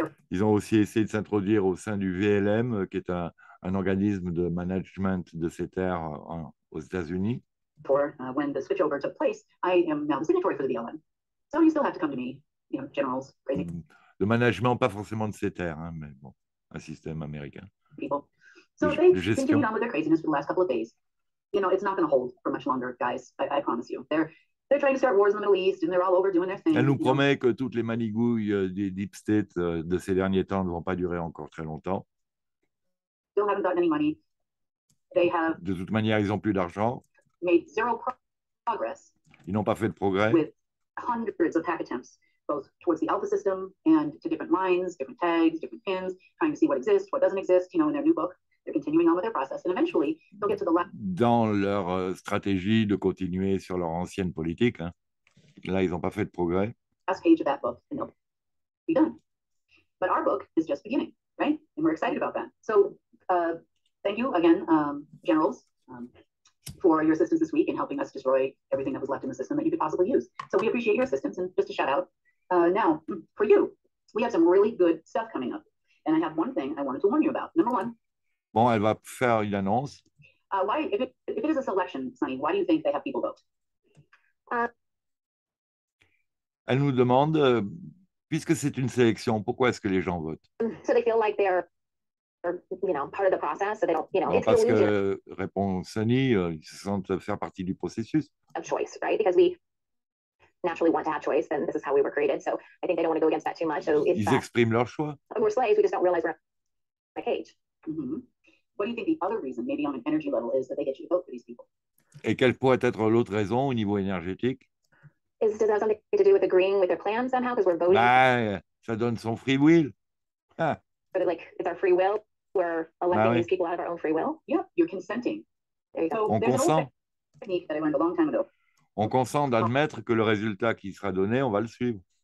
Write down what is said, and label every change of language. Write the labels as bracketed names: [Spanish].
[French] Ils ont aussi essayé de s'introduire au sein du VLM, qui est un organisme de management de ces terres aux États-Unis. [English] When the switchover took place, I am now the signatory for the VLM. So you still have to come to me, you know, generals, crazy. [French] Le management, pas forcément de ces terres, hein, mais bon, un système américain. [English] People. So they've continued on with their craziness for the last couple of days. You know, it's not going to hold for much longer, guys, I promise you. They're trying to start wars in the Middle East, and they're all over doing their thing. [French] Elle nous promet que toutes les manigouilles des deep state de ces derniers temps ne vont pas durer encore très longtemps. [English] Still haven't gotten any money. They have. [French] De toute manière, ils n'ont plus d'argent. [English] Made zero progress. [French] Ils n'ont pas fait de progrès. [English] Hundreds of hack attempts, both towards the Alpha system and to different lines, different tags, different pins, trying to see what exists, what doesn't exist, you know, in their new book. They're continuing on with their process, and eventually they'll get to the last. [French] Dans leur stratégie de continuer sur leur ancienne politique, hein. Là, ils n'ont pas fait de progrès. [English] Last page of that book, and they'll be done. But our book is just beginning, right? And we're excited about that. So, thank you again, generals. For your assistance this week in helping us destroy everything that was left in the system that you could possibly use. So we appreciate your assistance, and just a shout out. Now, for you, we have some really good stuff coming up. And I have one thing I wanted to warn you about. Number one. [French] Bon, elle va faire une annonce. [English] Why, if it is a selection, Sunny, why do you think they have people vote? [French] Elle nous demande, puisque c'est une sélection, pourquoi est-ce que les gens votent? [English] So they feel like they're part of the process, so they don't, you know, [French] non, parce que, répond Sunny, ils se sentent faire partie du processus. [English] Of choice, right? Because we naturally want to have choice, and this is how we were created. So I think they don't want to go against that too much. So [French] ils expriment leur choix. [English] We're slaves. We just don't realize we're in a cage. Mm-hmm. What do you think the other reason, maybe on an energy level, is that they get you to vote for these people? [French] Et quelle pourrait être l'autre raison au niveau énergétique? [English] Is does that have something to do with agreeing with their plan somehow? Because we're voting. [French] Bah, ça donne son [English] free will. But like, it's our free will. We're electing these people out of our own free will. Yeah, you're consenting. There you go. [French] On consent. [English] Technique that I learned a long time ago. [French] On consent d'admettre que le résultat qui sera donné, on va le suivre.